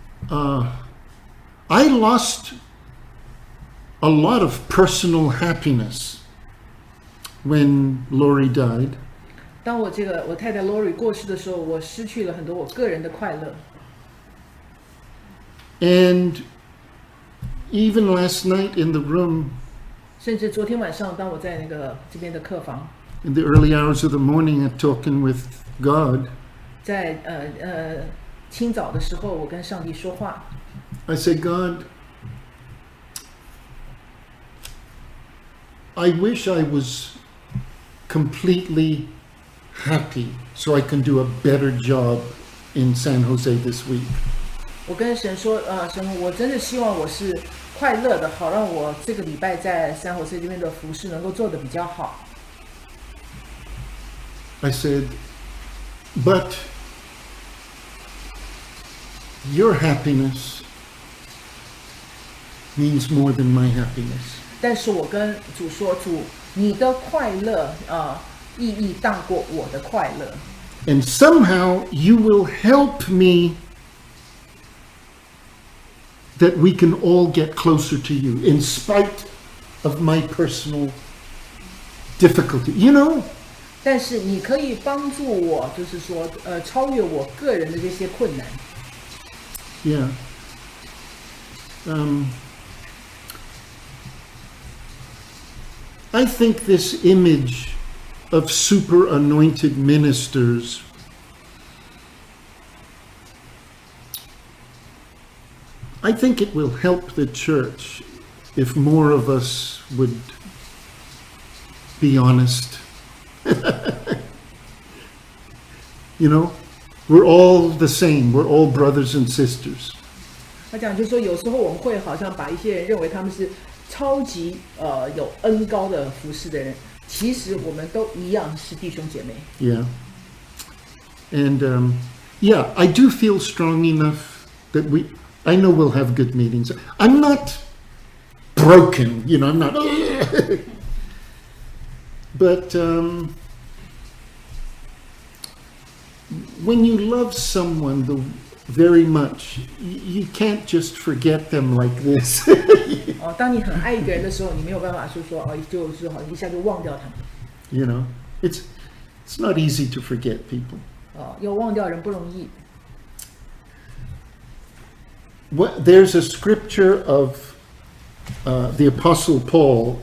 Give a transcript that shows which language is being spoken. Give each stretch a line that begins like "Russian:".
English: I lost a lot of personal happiness when Lori died.
Chinese: 当我太太 Lori 过世的时候，我失去了很多我个人的快乐。
English: And... Even last night in the room,
Chinese: 甚至昨天晚上，当我在那个这边的客房
English: ，in the early hours of the morning, I'm talking with God.
Chinese: 在清早的时候，我跟上帝说话。
English: I said, God, I wish I was completely happy, so I can do a better job in San Jose this week.
Chinese: 我跟神说，神，我真的希望我是。快乐的，好让我这个礼拜在三火岁这边的服事能够做得比较好。
English: I said, but your happiness means more than my happiness.
Chinese: 但是我跟主说，主，你的快乐意义大过我的快乐。
English: And somehow you will help me. That we can all get closer to you, in spite of my personal difficulty. You know.
Chinese: 但是你可以帮助我，就是说，超越我个人的这些困难。
English: Yeah. I think this image of super anointed ministers. I think it will help the church if more of us would be honest. You know, we're all the same. We're all brothers and sisters.
Chinese: 他讲就是说，有时候我们会好像把一些人认为他们是超级有恩高的服事的人，其实我们都一样是弟兄姐妹。
English: Yeah. And yeah, I do feel strong enough that we. I know we'll have good meetings. I'm not broken, you know, I'm not. But when you love someone very much, you can't just forget them like this.
Chinese: 哦，当你很爱一个人的时候，你没有办法说哦，就是好像一下就忘掉他们。
English: You know, it's not easy to forget people.
Chinese: 哦，要忘掉人不容易。
English: What, there's a scripture of the Apostle Paul.